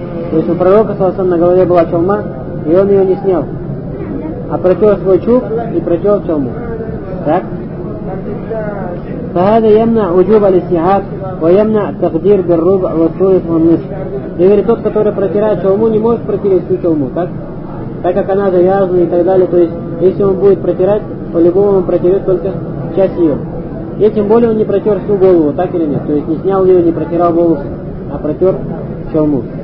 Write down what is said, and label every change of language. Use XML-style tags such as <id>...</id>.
<ru>То есть у пророка саллаллаху алейхи ва саллям на голове была чалма, и он ее не снял, а протер свой чуб и протер чалму. Так?</ru> <ar>فهذا يمنع وجوب الاستحاب ويمنع تقدير بالربع والثلث والنصف. يعني</ar> <ru>тот, который протирает чалму, не может протереть всю чалму, так? Так как она завязана и так далее. То есть, если он будет протирать, по-любому он протерет только часть ее. И тем более он не протер всю голову, так или нет? То есть не снял ее, не протирал волосы, а протер чалму.</ru>